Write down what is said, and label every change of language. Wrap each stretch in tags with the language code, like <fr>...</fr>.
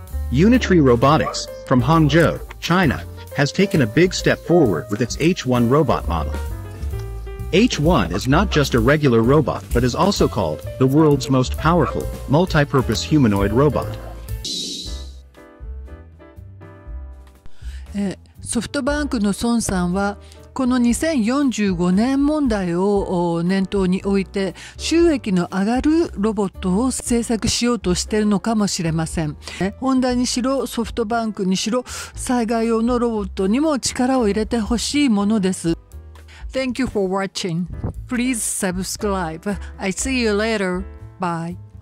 <en>Unitree Robotics, from Hangzhou, China, has taken a big step forward with its H1 robot model. H1 is not just a regular robot, but is also called the world's most powerful, multi-purpose humanoid robot.</en> <ja>SoftBank の孫さんはこの2045年問題を念頭に置いて、収益の上がるロボットを製作しようとしているのかもしれません。ホンダにしろソフトバンクにしろ、災害用のロボットにも力を入れてほしいものです。</ja> <en>Thank you for watching. Please subscribe. I see you later. Bye.</en>